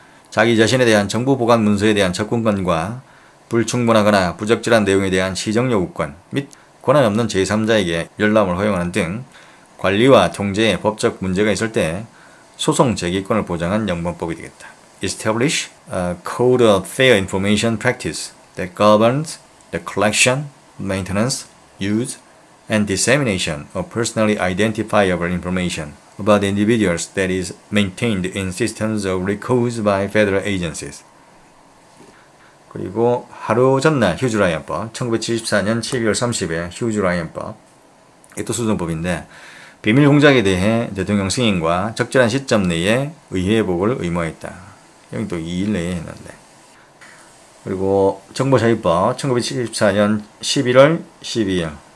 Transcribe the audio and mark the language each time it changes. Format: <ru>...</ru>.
<ko>자기 자신에 대한 정보 보관 문서에 대한 접근권과 불충분하거나 부적절한 내용에 대한 시정 요구권 및 권한 없는 제3자에게 열람을 허용하는 등 관리와 통제에 법적 문제가 있을 때 소송 제기권을 보장한 영문법이 되겠다.</ko> <en>Establish a code of fair information practice that governs the collection, maintenance, use, and dissemination of personally identifiable information about individuals that is maintained in systems of records by federal agencies.</en> <ko>그리고 하루 전날 휴즈 라이언법, 1974년 12월 30일 휴즈 라이언법, 이것도 소송법인데 비밀 공작에 대해 대통령 승인과 적절한 시점 내에 의회복을 의무화했다. 여기 또 2일 내에 했는데. 그리고 정보자유법, 1974년 11월 12일.</ko>